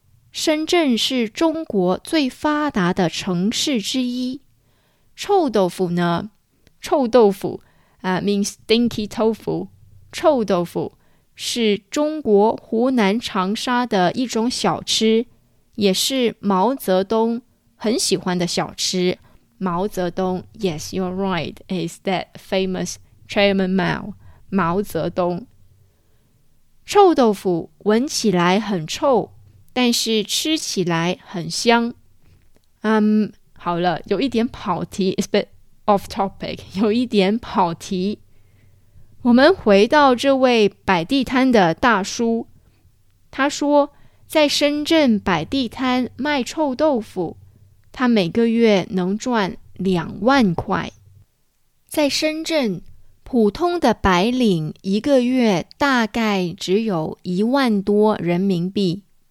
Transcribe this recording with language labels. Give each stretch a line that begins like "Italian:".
Chinese: 深圳是中国最发达的城市之一。臭豆腐呢？臭豆腐
English: means stinky tofu。
Chinese: 臭豆腐是中国湖南长沙的一种小吃，也是毛泽东很喜欢的小吃。
English: 毛泽东 ，Yes, you're right, is that famous Chairman Mao?
Chinese: 毛泽东。臭豆腐闻起来很臭，但是吃起来很香。好了，有一点跑题
English: It's a bit off topic
Chinese: 有一点跑题我们回到这位摆地摊的大叔他说在深圳摆地摊卖臭豆腐他每个月能赚20000块在深圳普通的白领一个月大概只有10000多人民币